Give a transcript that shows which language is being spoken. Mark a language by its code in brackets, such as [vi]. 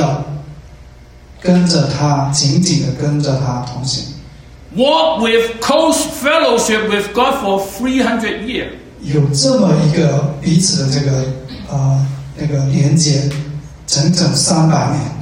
[zh] 的跟着他紧紧的跟着他同行 [en] Walk with close fellowship with God for 300 years [zh] 有这么一个彼此的这个那个连接整整300年